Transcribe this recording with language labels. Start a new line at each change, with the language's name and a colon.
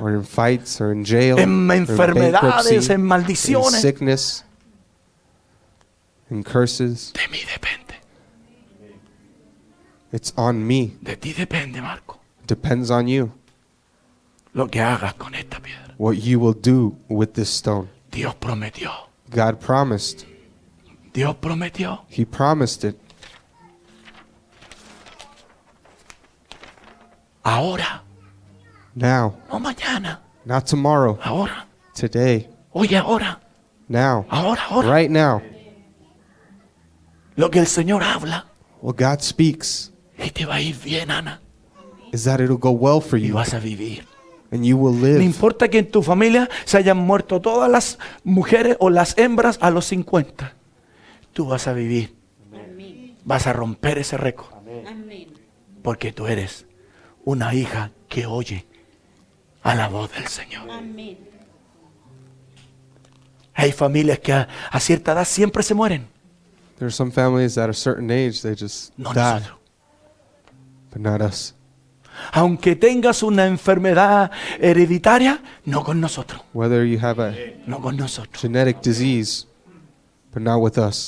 English: Or in fights or in jail.
Spanish: En enfermedades, en maldiciones.
English: In sickness. In curses.
Spanish: De mí depende.
English: It's on me.
Spanish: De ti depende, Marco.
English: Depends on you.
Spanish: Lo que hagas con esta piedra.
English: What you will do with this stone.
Spanish: Dios prometió.
English: God promised.
Spanish: Dios prometió.
English: He promised it.
Spanish: Ahora.
English: Now.
Spanish: No mañana.
English: Not tomorrow.
Spanish: Ahora.
English: Today.
Spanish: Hoy ahora.
English: Now.
Spanish: Ahora, ahora.
English: Right now.
Spanish: Lo que el Señor habla.
English: What God speaks.
Spanish: Y te va a ir bien, Ana.
English: Is that it'll go well for you.
Spanish: Y vas a vivir.
English: And you will live.
Spanish: No importa que en tu familia se hayan muerto todas las mujeres o las hembras a los 50. Tú vas a vivir. Amén. Vas a romper ese récord. Amén. Porque tú eres una hija que oye a la voz del Señor. Amén. Hay familias que a cierta edad siempre se mueren.
English: There are some families that at a certain age they just
Spanish: no
English: die.
Spanish: Nosotros.
English: But not us.
Spanish: Aunque tengas una enfermedad hereditaria, no con nosotros.
English: Whether you have a
Spanish: no con nosotros.
English: Genetic disease, but not with us.